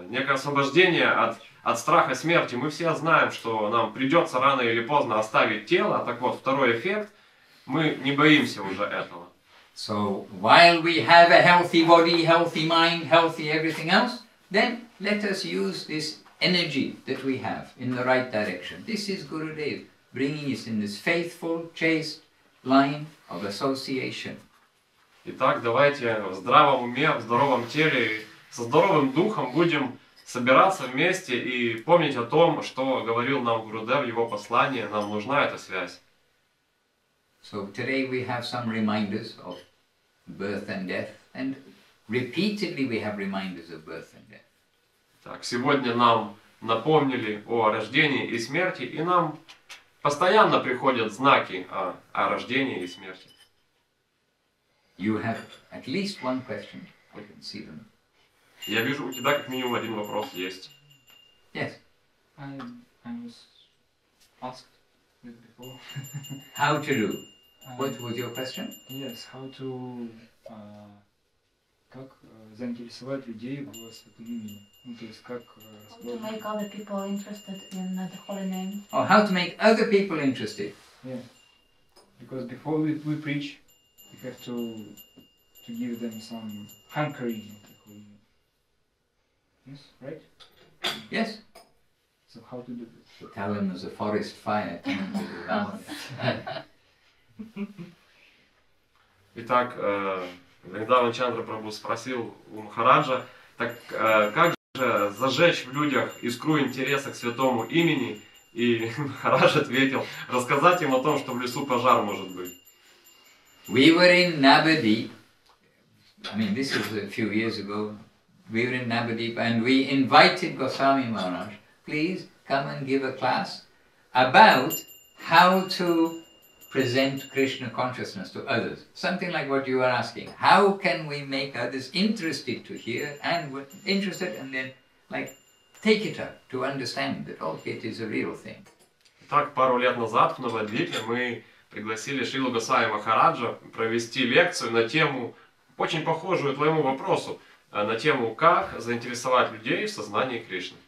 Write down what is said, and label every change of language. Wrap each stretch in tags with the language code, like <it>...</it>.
<ru>Освобождение от страха смерти. Мы все знаем, что нам придется рано или поздно оставить тело. Так вот, второй эффект, мы не боимся уже этого.</ru> <en>So, while we have a healthy body, healthy mind, healthy everything else, then let us use this energy that we have in the right direction. This is Gurudev bringing us in this faithful, chaste line of association.</en> <ru>Итак, давайте в здравом уме, в здоровом теле, со здоровым духом будем собираться вместе и помнить о том, что говорил нам Гурудев в его послании. Нам нужна эта связь.</ru> <en>So today we have some reminders of birth and death, and repeatedly we have reminders of birth and death.</en> <ru>Так, сегодня нам напомнили о рождении и смерти, и нам постоянно приходят знаки о рождении и смерти.</ru> <en>You have at least one question. We can see them.</en> <ru>Я вижу, у тебя как минимум один вопрос есть.</ru> <en>Yes. I was asked it before. How to do? What was your question? Yes, how to...</en> <ru>Как заинтересовать людей в святом имени? Ну, то есть, как...</ru> <en>How to make other people interested in the holy name? Oh, how to make other people interested? Yeah. Because before we preach, we have to give them some hankering. Yes, right? Yes. So how to do this? To tell him there's a forest fire coming to the valley.</en> <ru>Итак, Вриндаван Чандра Прабху спросил у Махараджа, так как же зажечь в людях искру интереса к святому имени И Махарадж ответил, рассказать им о том, что в лесу пожар может быть.</ru> <en>We were in Navadvip. I mean, this was a few years ago. We were in Navadvip and we invited Goswami Maharaj, please come and give a class about how to present Krishna consciousness to others. Something like what you are asking. How can we make others interested to hear and interested and then like take it up to understand that all it is a real thing.</en> <ru>Так, пару лет назад в Навадвипе мы пригласили Шрилу Госвами Махараджа провести лекцию на тему, очень похожую твоему вопросу, на тему, как заинтересовать людей в сознании Кришны.</ru>